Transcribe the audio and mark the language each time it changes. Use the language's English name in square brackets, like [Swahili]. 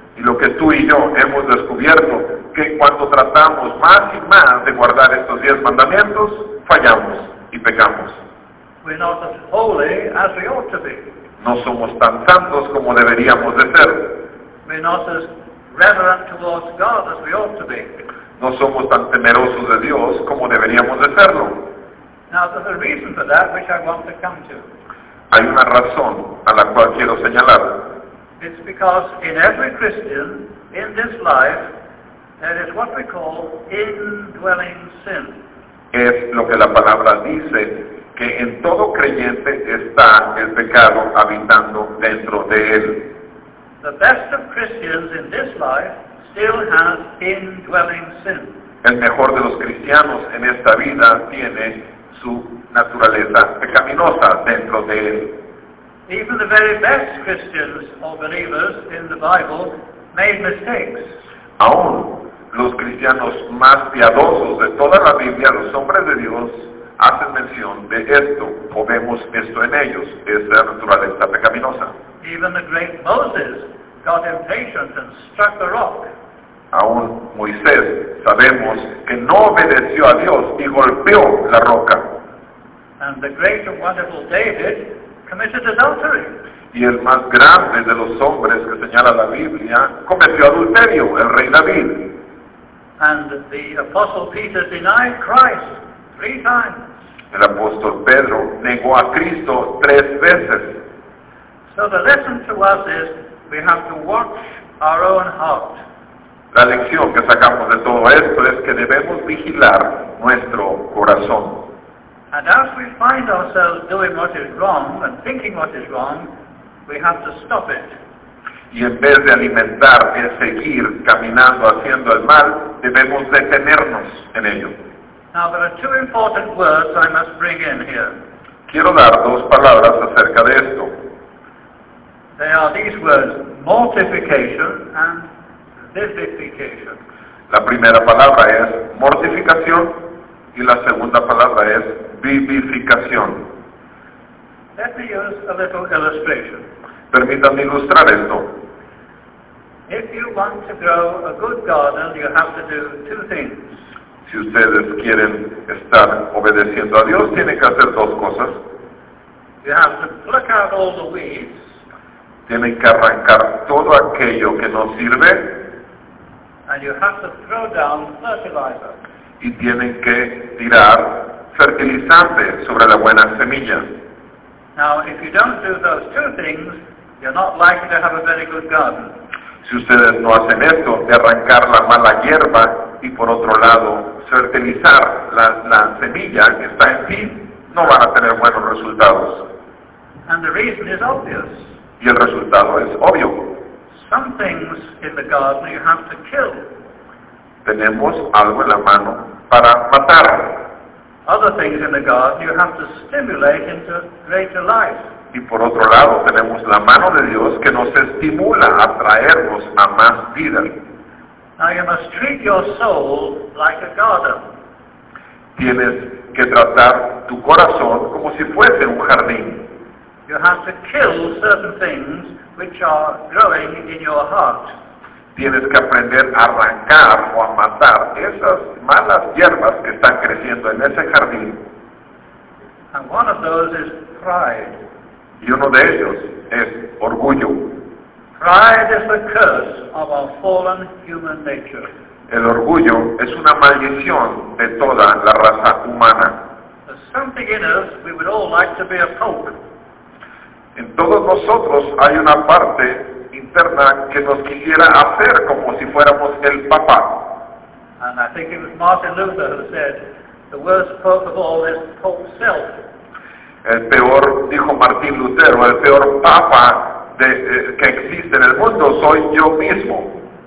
[Spanish] Y lo que tú y yo hemos descubierto, que cuando tratamos más y más de guardar estos diez mandamientos, fallamos y pecamos. [English] We're not as holy as we ought to be. [Spanish] No somos tan santos como deberíamos de ser. [English] We're not as reverent towards God as we ought to be. [Spanish] No somos tan temerosos de Dios como deberíamos de serlo. [English] Now there's a reason for that which I want to come to. [Spanish] Hay una razón a la cual quiero señalar. [English] It's because in every Christian, in this life, there is what we call indwelling sin. [Spanish] Es lo que la palabra dice, que en todo creyente está el pecado habitando dentro de él. [English] The best of Christians in this life still has indwelling sin. [Spanish] El mejor de los cristianos en esta vida tiene su naturaleza pecaminosa dentro de él. [English] Even the very best Christians or believers in the Bible made mistakes. [Spanish] Aún los cristianos más piadosos de toda la Biblia, los hombres de Dios, hacen mención de esto, o vemos esto en ellos, esta naturaleza pecaminosa. [English] Even the great Moses got impatient and struck the rock. [Spanish] Aún Moisés, sabemos que no obedeció a Dios y golpeó la roca. [English] And the great and wonderful David committed adultery. [Spanish] Y el más grande de los hombres que señala la Biblia cometió adulterio, el rey David. [English] And the apostle Peter denied Christ 3 times. [Spanish] El apóstol Pedro negó a Cristo 3 veces. [English] So the lesson to us is we have to watch our own heart. [Spanish] La lección que sacamos de todo esto es que debemos vigilar nuestro corazón. [English] And as we find ourselves doing what is wrong and thinking what is wrong, we have to stop it. [Spanish] y en vez de alimentar, de seguir caminando haciendo el mal, debemos detenernos en ello. [English] Now there are two important words I must bring in here. [Spanish] Quiero dar dos palabras acerca de esto. [English] They are these words, mortification and vivification. [Spanish] La primera palabra es mortificación y la segunda palabra es vivificación. [English] Let me use a little illustration. [Spanish] Permítanme ilustrar esto. [English] If you want to grow a good garden, you have to do two things. [Spanish] Si ustedes quieren estar obedeciendo a Dios, tienen que hacer dos cosas. [English] You have to pluck out all the weeds. [Spanish] Tienen que arrancar todo aquello que no sirve. [English] And you have to throw down fertilizer. [Spanish] Y tienen que tirar fertilizante sobre la buena semilla. [English] Now, if you don't do those two things, you're not likely to have a very good garden. [Spanish] Si ustedes no hacen esto, de arrancar la mala hierba y por otro lado fertilizar la semilla que está en ti, no van a tener buenos resultados. [English] And the reason is obvious. [Spanish] Y el resultado es obvio. [English] Some things in the garden you have to kill. [Spanish] Tenemos algo en la mano para matar. [English] Other things in the garden you have to stimulate into greater life. [Spanish] Y por otro lado, tenemos la mano de Dios que nos estimula a traernos a más vida. [English] Now you must treat your soul like a garden. [Spanish] Tienes que tratar tu corazón como si fuese un jardín. [English] You have to kill certain things which are growing in your heart. [Spanish] Tienes que aprender a arrancar o a matar esas malas hierbas que están creciendo en ese jardín. [English] And one of those is pride. [Spanish] Y uno de ellos es orgullo. [English] Pride is the curse of our fallen human nature. [Spanish] El orgullo es una maldición de toda la raza humana. [English] There's something in us we would all like to be a pope. [Spanish] En todos nosotros hay una parte interna que nos quisiera hacer como si fuéramos el papa. [English] And I think it was Martin Luther who said, "The worst pope of all is Pope Self." [Spanish] El peor, dijo Martín Lutero, el peor papa que existe en el mundo soy yo mismo.